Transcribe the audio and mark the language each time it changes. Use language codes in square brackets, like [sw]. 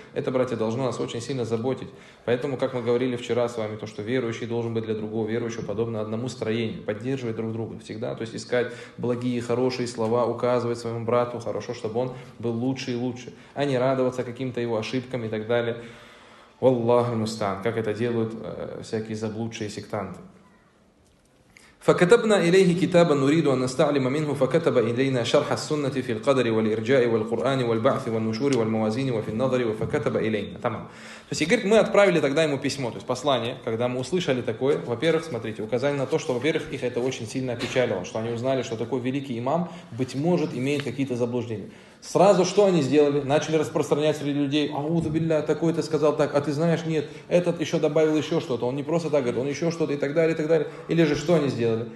[ru] Это, братья, должно нас очень сильно заботить. Поэтому, как мы говорили вчера с вами, то, что верующий должен быть для другого верующего подобно одному строению, поддерживать друг друга всегда, то есть искать благие, хорошие слова, указывать своему брату, хорошо, чтобы он был лучше и лучше, а не радоваться каким-то его ошибкам и так далее. Валлаху мустан, как это делают всякие заблудшие сектанты. [ar] فكتبنا إليه كتابا نريد أن نستعلم منه فكتب إلينا شرح السنة في القدر والإرجاء والقرآن والبعث والنشور والموازين وفي النظر وفكتب إلينا تمام. [ru] То есть, говорит, мы отправили тогда ему письмо, то есть послание, когда мы услышали такое, во-первых, смотрите, указание на то, что, во-первых, их это очень сильно опечалило, что они узнали, что такой великий имам, быть может, имеет какие-то заблуждения. Сразу что они сделали? Начали распространять среди людей, ауду билля, такой-то сказал так, а ты знаешь, нет, этот еще добавил еще что-то, он не просто так говорит, он еще что-то и так далее, и так далее. Или же что они сделали?